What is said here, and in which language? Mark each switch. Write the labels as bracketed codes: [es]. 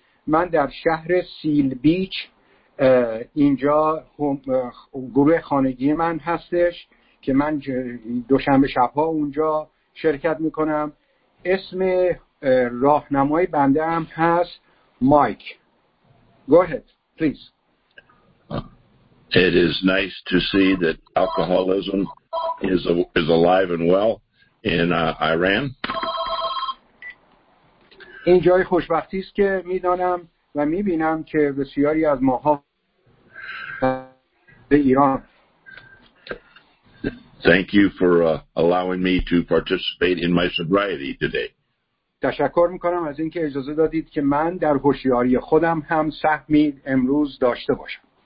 [fa] من در شهر سیل بیچ اینجا گروه خانگی من هستش که من دوشنبه شبها اونجا شرکت میکنم. اسم راهنمای بنده هم هست مایک. [en] Go ahead, please. It is nice to see that alcoholism is alive and well in Iran. [fa] این جای خوشبختی است که میدانم و میبینم که بسیاری از ماها به ایران. [en] Thank you for allowing me to participate in my sobriety today. [fa] تشکر میکنم از اینکه اجازه دادید که من در هوشیاری خودم هم سهمی امروز داشته باشم.